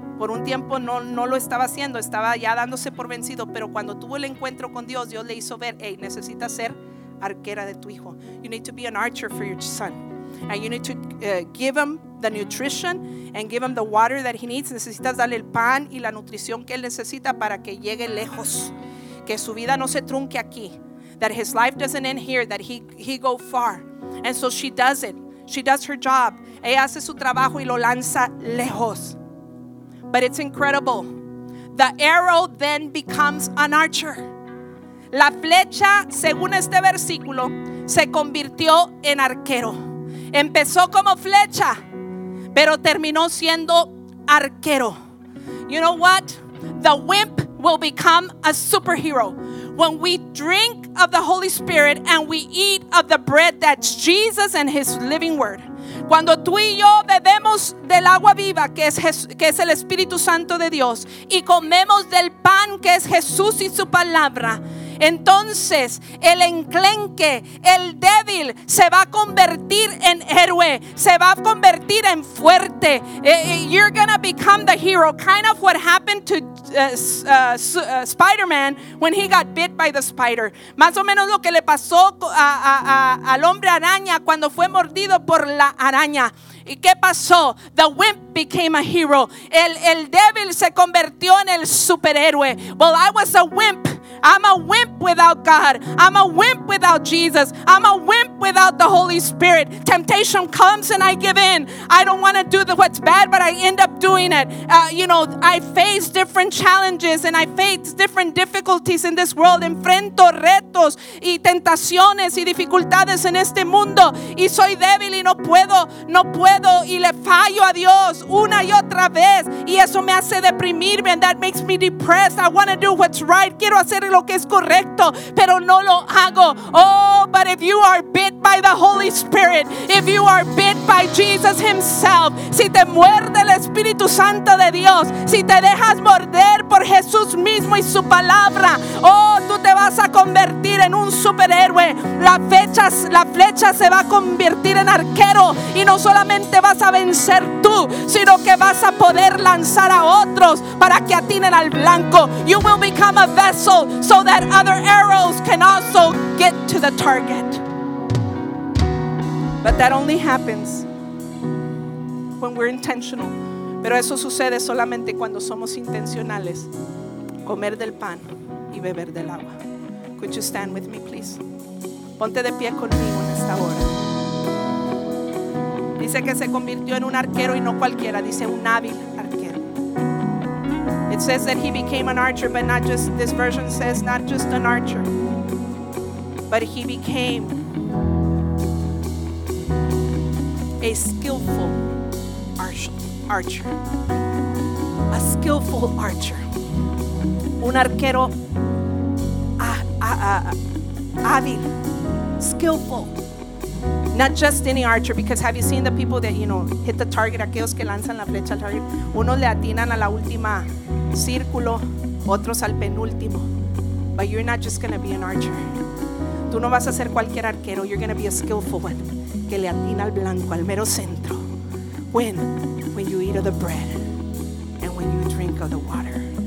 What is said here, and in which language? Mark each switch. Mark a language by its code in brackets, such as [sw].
[es] Por un tiempo no lo estaba haciendo, estaba ya dándose por vencido. Pero cuando tuvo el encuentro con Dios, Dios le hizo ver, hey, necesitas ser arquera de tu hijo. [en] You need to be an archer for your son. And you need to give him the nutrition and give him the water that he needs. [es] Necesitas darle el pan y la nutrición que él necesita para que llegue lejos. Que su vida no se trunque aquí. [en] That his life doesn't end here, that he go far. And so she does it. She does her job. [es] Ella hace su trabajo y lo lanza lejos. [en] But it's incredible. [es] The arrow then becomes an archer. La flecha, según este versículo, se convirtió en arquero. Empezó como flecha, pero terminó siendo arquero. [en] You know what? The wimp will become a superhero. When we drink of the Holy Spirit and we eat of the bread that's Jesus and his living word. [es] Cuando tú y yo bebemos del agua viva que es el Espíritu Santo de Dios y comemos del pan que es Jesús y su palabra, entonces el enclenque, el débil, se va a convertir en héroe, se va a convertir en fuerte. [en] You're gonna become the hero. Kind of what happened to Spider-Man when he got bit by the spider. [es] Más o menos lo que le pasó al hombre araña cuando fue mordido por la araña. ¿Y qué pasó? [en] The wimp became a hero. [es] El débil se convirtió en el superhéroe. [en] Well, I was a wimp. I'm a wimp without God. I'm a wimp without Jesus. I'm a wimp without the Holy Spirit. Temptation comes and I give in. I don't want to do what's bad, but I end up doing it. I face different challenges and I face different difficulties in this world. [es] Enfrento retos y tentaciones y dificultades en este mundo. Y soy débil y no puedo. Y le fallo a Dios una y otra vez. Y eso me hace deprimirme [en] and that makes me depressed. I want to do what's right. [es] Quiero hacer lo que es correcto, pero no lo hago. [en] Oh, but if you are bit by the Holy Spirit, if you are bit by Jesus himself, [es] si te muerde el Espíritu Santo de Dios, si te dejas morder por Jesús mismo y su palabra, oh, tú te vas a convertir en un superhéroe. La flecha se va a convertir en arquero y no solamente vas a vencer tú, sino que vas a poder lanzar a otros para que atinen al blanco. [en] You will become a vessel so that other arrows can also get to the target. But that only happens when we're intentional. [es] Pero eso sucede solamente cuando somos intencionales. Comer del pan y beber del agua. [en] Could you stand with me, please? [es] Ponte de pie conmigo en esta hora. Dice que se convirtió en un arquero y no cualquiera. Dice un hábil. [en] It says that he became an archer, but not just, this version says, not just an archer, but he became a skillful archer. A skillful archer. [es] Un arquero hábil, [en] skillful. Not just any archer, because have you seen the people that, hit the target, [es] aquellos que lanzan la flecha al [en] target? [es] Unos le atinan a la última círculo, otros al penúltimo. [en] But you're not just going to be an archer. [es] Tú no vas a ser cualquier arquero. [en] You're going to be a skillful one [es] que le atina al blanco, al mero centro. [en] When you eat of the bread and when you drink of the water.